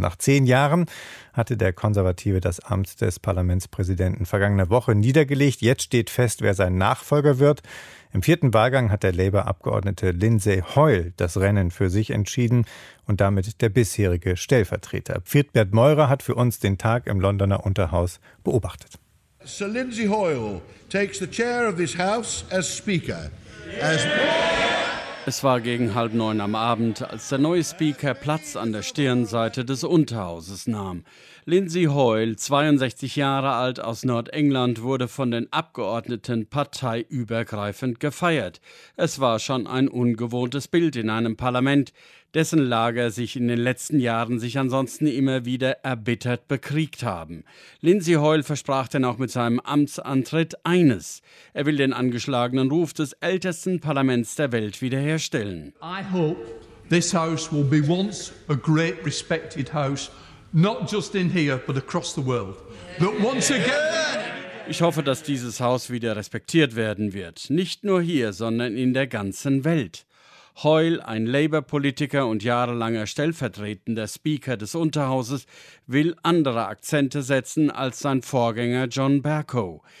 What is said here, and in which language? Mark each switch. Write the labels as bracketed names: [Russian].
[German] Nach 10 Jahren hatte der Konservative das Amt des Parlamentspräsidenten vergangene Woche niedergelegt. Jetzt steht fest, wer sein Nachfolger wird. Im 4. Wahlgang hat der Labour-Abgeordnete Lindsay Hoyle das Rennen für sich entschieden und damit der bisherige Stellvertreter. Friedbert Meurer hat für uns den Tag im Londoner Unterhaus beobachtet. [English] Sir Lindsay Hoyle takes the chair of this house as Speaker. [German] Es war gegen 9:30 am Abend, als der neue Speaker Platz an der Stirnseite des Unterhauses nahm. Lindsay Hoyle, 62 Jahre alt, aus Nordengland, wurde von den Abgeordneten parteiübergreifend gefeiert. Es war schon ein ungewohntes Bild in einem Parlament, dessen Lager sich in den letzten Jahren sich ansonsten immer wieder erbittert bekriegt haben. Lindsay Hoyle versprach denn auch mit seinem Amtsantritt eines. Er will den angeschlagenen Ruf des ältesten Parlaments der Welt wiederherstellen. [English] I hope this house will be once a great respected house, not just in here, but across the world. But once again! [German] Ich hoffe, dass dieses Haus wieder respektiert werden wird. Nicht nur hier, sondern in der ganzen Welt. Hoyle, ein Labour-Politiker und jahrelanger stellvertretender Speaker des Unterhauses, will andere Akzente setzen als sein Vorgänger John Bercow.